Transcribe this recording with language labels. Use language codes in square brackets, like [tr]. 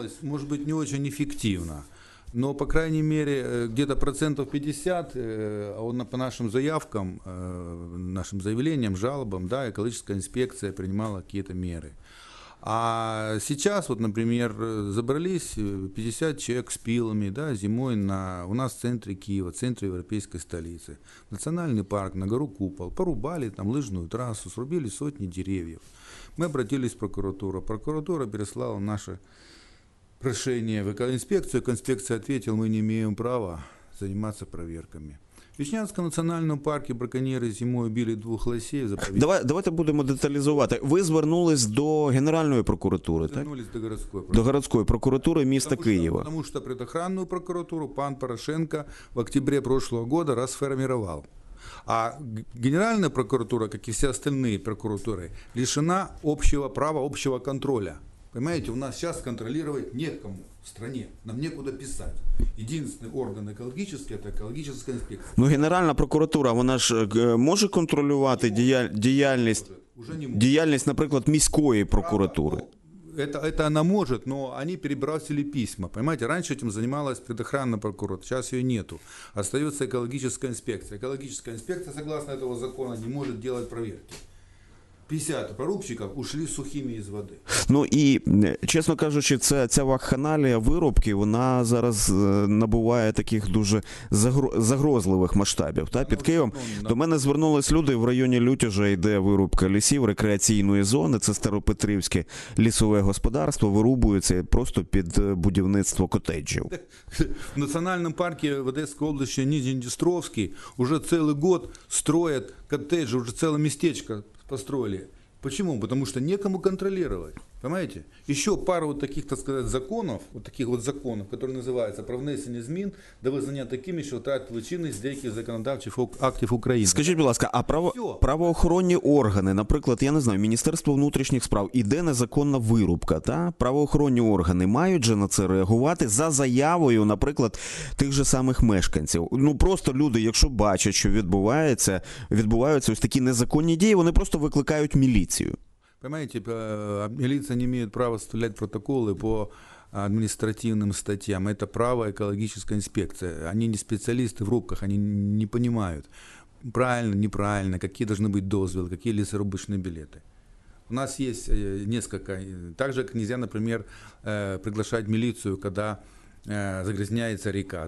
[uk] Може бути, не дуже ефективно. [ru] Но, по крайней мере, где-то процентов 50, по нашим заявкам, нашим заявлениям, жалобам, да, экологическая инспекция принимала какие-то меры. А сейчас, вот, например, забрались 50 человек с пилами, да, зимой у нас в центре Киева, в центре европейской столицы, национальный парк, на гору Купол, порубали там лыжную трассу, срубили сотни деревьев. Мы обратились в прокуратуру, прокуратура переслала наши прошение в экоинспекцию, инспекция ответила, мы не имеем права заниматься проверками. [uk] В Вишнянському національному парку браконьєри зимою били двох лосей в заповіді. Давайте будемо деталізувати. Ви звернулись до Генеральної прокуратури, так? Звернулись до городської прокуратури. До городської прокуратури міста Києва. Тому що предохранну прокуратуру пан Порошенко в октябрі [ru] прошлого [uk] року розформував. [ru] А Генеральная прокуратура, как и все остальные прокуратуры, лишена общего права, общего контроля. Понимаете, у нас сейчас контролировать некому в стране, нам некуда писать. Единственный орган экологический – это экологическая инспекция. Но Генеральная прокуратура, она же может контролировать деятельность, например, [uk] міської [ru] прокуратуры? Это она может, но они перебросили письма. Понимаете, раньше этим занималась предохранная прокуратура, сейчас ее нету. Остается экологическая инспекция. Экологическая инспекция, согласно этого закона, не может делать проверки. 50 прорубщиков ушли сухими из воды. [uk] Ну и, честно кажучи, ця вакханалія вирубки, вона зараз набуває таких дуже загрозливих масштабів. Та, під Києвом до мене звернулись люди в районі Лютяжа, йде вирубка лісів рекреаційної зони, це Старопетрівське лісове господарство, вирубується просто під будівництво котеджів. В національному парку в Одеській області Нижньодністровський уже цілий [ru] год строять [uk] коттеджі, уже ціле містечко [ru] построили. Почему? Потому что некому контролировать. Понимаете? Еще пару вот таких, так сказать, законов, вот таких вот законов, которые называются про внесение [uk] змін до визнання такими, що втратили чинність деяких законодавчих актів України. Скажіть, будь ласка, а правоохоронні органи, наприклад, я не знаю, Міністерство внутрішніх справ, іде незаконна вирубка, та? Правоохоронні органи мають же на це реагувати за заявою, наприклад, тих же самих мешканців. Ну, просто люди, якщо бачать, що відбуваються ось такі незаконні дії, вони просто викликають міліцію. [ru] Понимаете, милиция не имеет права составлять протоколы по административным статьям. Это право экологической инспекции. Они не специалисты в рубках, они не понимают, правильно, неправильно, какие должны быть дозволы, какие лесорубочные билеты. У нас есть несколько. Также нельзя, например, приглашать милицию, когда загрязняется река.